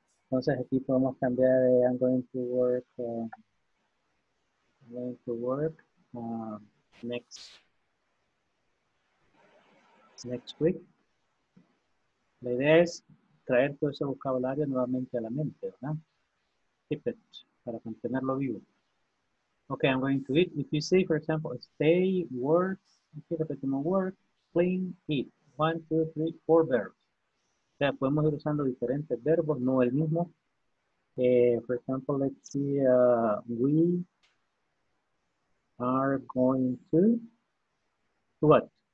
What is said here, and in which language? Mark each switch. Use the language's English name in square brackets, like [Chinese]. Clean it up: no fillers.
[Spanish] Entonces aquí podemos cambiar de [English] I'm going to work. I'm going to work next week. [Spanish] La idea es traer todo ese vocabulario nuevamente a la mente, ¿verdad? [English] Keep it, [Spanish] para mantenerlo vivo. [English] Okay, I'm going to eat. If you say, for example, stay, work, work, clean, eat. 1, 2, 3, 4 verbs. [Spanish] O sea, podemos ir usando diferentes verbos, no el mismo. [English] For example, let's see, we are going to, what?